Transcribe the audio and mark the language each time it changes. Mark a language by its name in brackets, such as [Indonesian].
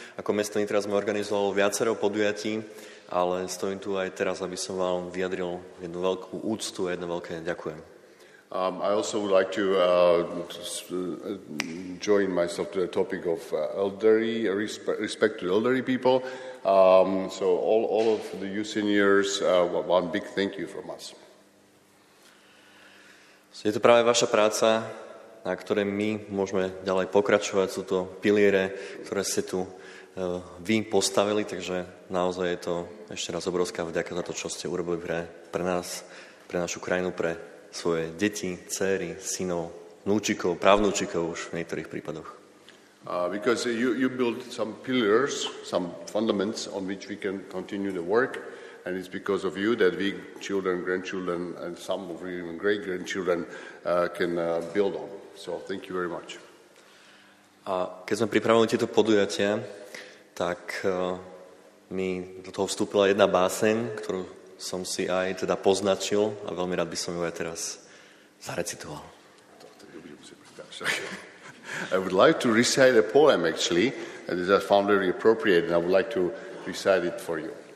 [Slovak] Ako mesto Nitra sme organizovali viacero podujatí, ale stojím tu aj teraz, aby som vám vyjadril jednu veľkú úctu a jedno veľké ďakujem. [English] I also would like to join myself to the topic of elderly, respect to elderly people. So all of the youth seniors, one big thank you from us. [Slovak] Je to práve vaša práca, na ktorej my môžeme ďalej pokračovať. Sú to piliere, ktoré ste tu vy postavili, takže naozaj je to ešte raz obrovská vďaka za to, čo ste urobili pre nás, pre našu krajinu, pre svoje deti, dcery, synov, vnúčikov, pravnúčikov už v niektorých prípadoch. [English] Because you build some pillars, some fundaments on which we can continue the work, and it's because of you that we children, grandchildren and some of you even great-grandchildren can build on. So thank you very much. [Slovak] A keď sme pripravili tieto podujatia, tak mi do toho vstúpila jedna báseň, ktorú som si aj teda poznačil a veľmi rád by som ju aj teraz zarecitoval. [English] I would like to recite a poem actually, and it is found very appropriate and I would like to recite it for you.